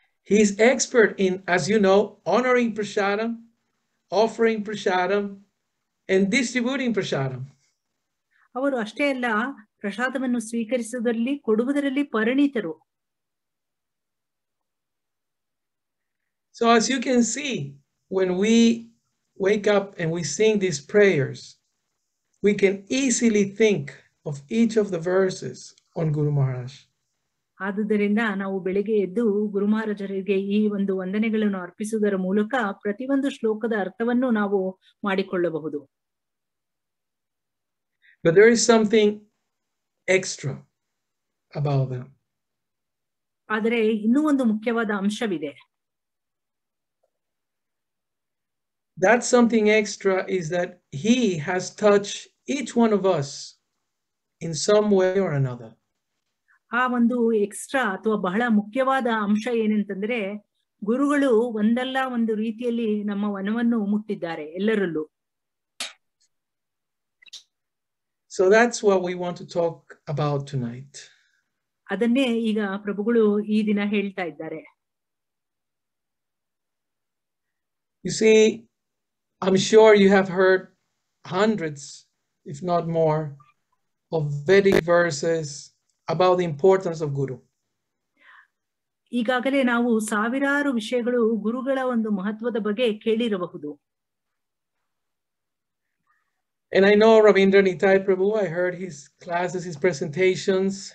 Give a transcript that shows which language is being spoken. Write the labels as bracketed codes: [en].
[en] He is expert in, as you know, honoring prasadam, offering prasadam, and distributing prasadam. [kn] ಅವರು ಅಷ್ಟೇ ಅಲ್ಲ, ಪ್ರಸಾದವನ್ನು ಸ್ವೀಕರಿಸುವುದರಲ್ಲಿ ಕೊಡುವುದರಲ್ಲಿ ಪರಿಣಿತರು. [en] So as you can see, when we wake up and we sing these prayers, we can easily think of each of the verses on Guru Maharaj. [kn] ಆದುದರಿಂದ ನಾವು ಬೆಳಿಗ್ಗೆ ಎದ್ದು ಗುರು ಮಹಾರಾಜರಿಗೆ ಈ ಒಂದು ವಂದನೆಗಳನ್ನು ಅರ್ಪಿಸುವುದರ ಮೂಲಕ ಪ್ರತಿಯೊಂದು ಶ್ಲೋಕದ ಅರ್ಥವನ್ನು ನಾವು ಮಾಡಿಕೊಳ್ಳಬಹುದು. [en] But there is something extra about them. [kn] ಆದರೆ ಇನ್ನೂ ಒಂದು ಮುಖ್ಯವಾದ ಅಂಶವಿದೆ. [en] That something extra is that he has touched each one of us in some way or another. [kn] ಆ ಒಂದು ಎಕ್ಸ್ಟ್ರಾ ಅಥವಾ ಬಹಳ ಮುಖ್ಯವಾದ ಅಂಶ ಏನಂತಂದ್ರೆ, ಗುರುಗಳು ಒಂದಲ್ಲ ಒಂದು ರೀತಿಯಲ್ಲಿ ನಮ್ಮ ವನವನ್ನು ಮುಟ್ಟಿದ್ದಾರೆ ಎಲ್ಲರಲ್ಲೂ. [en] So that's what we want to talk about tonight. [kn] ಅದನ್ನೇ ಈಗ ಪ್ರಭುಗಳು ಈ ದಿನ ಹೇಳ್ತಾ ಇದ್ದಾರೆ. [en] You see, I'm sure you have heard hundreds, if not more, of Vedic verses about the importance of Guru. [kn] ಈಗಾಗಲೇ ನಾವು ಸಾವಿರಾರು ವಿಷಯಗಳು ಗುರುಗಳ ಒಂದು ಮಹತ್ವದ ಬಗ್ಗೆ ಕೇಳಿರಬಹುದು. [en] And I know Ravindranathai Prabhu, I heard his classes, his presentations.